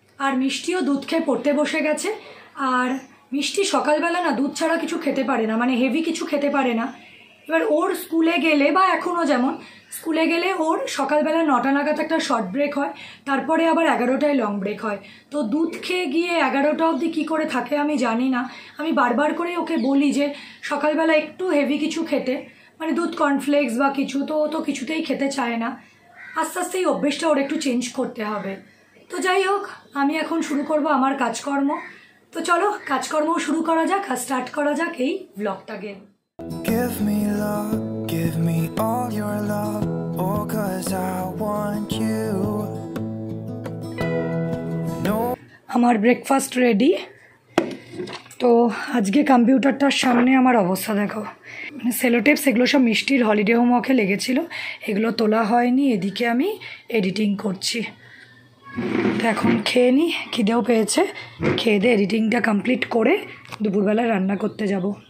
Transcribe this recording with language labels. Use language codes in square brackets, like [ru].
[bn] আর মিষ্টিও দুধ খেয়ে পড়তে বসে গেছে আর মিষ্টি সকালবেলা না দুধ ছাড়া কিছু খেতে পারে না মানে হেভি কিছু খেতে পারে না এবার ওর স্কুলে গেলে বা এখনো যেমন স্কুলে গেলে ওর সকালবেলা 9টা নাগাদ একটা শর্ট ব্রেক হয় তারপরে আবার 11টায় লং ব্রেক হয় তো দুধ খেয়ে গিয়ে 11টা অবধি কি করে থাকে আমি জানি না আমি বারবার করে ওকে বলি যে সকালবেলা একটু হেভি কিছু খেতে মানে দুধ কর্নফ্লেক্স বা কিছু তো ও তো কিছুতেই খেতে চায় না আস্তে আস্তে এই অভ্যেসটা ওর একটু চেঞ্জ করতে হবে তো যাই হোক আমি এখন শুরু করব আমার কাজকর্ম তো চলো কাজকর্ম শুরু করা যাক আর স্টার্ট করা যাক এই ব্লগটাকে [en] Give me love, give me all your love, oh, cause I want you. No. [bn] আমার ব্রেকফাস্ট রেডি তো আজকে কম্পিউটারটার সামনে আমার অবস্থা দেখো মানে সেলোটেপ সেগুলো সব মিষ্টির হলিডে হোমওয়ার্কে লেগেছিল এগুলো তোলা হয়নি এদিকে আমি এডিটিং করছি তো এখন খেয়ে নি খিদেও পেয়েছে খেয়ে দিয়ে এডিটিংটা কমপ্লিট করে দুপুরবেলা রান্না করতে যাব